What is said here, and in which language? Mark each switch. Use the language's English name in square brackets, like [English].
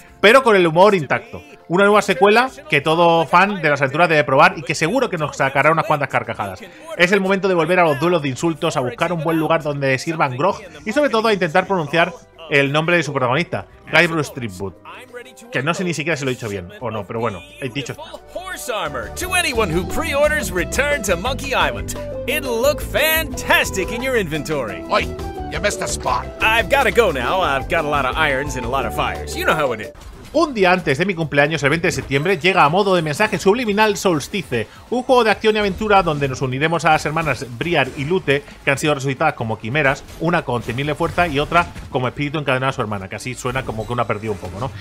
[Spanish] Pero con el humor intacto. Una nueva secuela que todo fan de las aventuras debe probar y que seguro que nos sacará unas cuantas carcajadas. Es el momento de volver a los duelos de insultos, a buscar un buen lugar donde sirvan grog y sobre todo a intentar pronunciar el nombre de su protagonista, Guybrush Threepwood. Que no sé ni siquiera si lo he dicho bien o no, pero bueno, he dicho. [English] Horse armor to anyone who pre-orders Return to Monkey Island. It'll look fantastic in your inventory. Oi, you missed a spot. I've gotta go now. I've got a lot of irons and a lot of fires. You know how it is. [Spanish] Un día antes de mi cumpleaños, el 20 de septiembre, llega a modo de mensaje subliminal Solstice, un juego de acción y aventura donde nos uniremos a las hermanas Briar y Lute, que han sido resucitadas como quimeras, una con temible fuerza y otra como espíritu encadenado a su hermana, que así suena como que una perdió un poco, ¿no?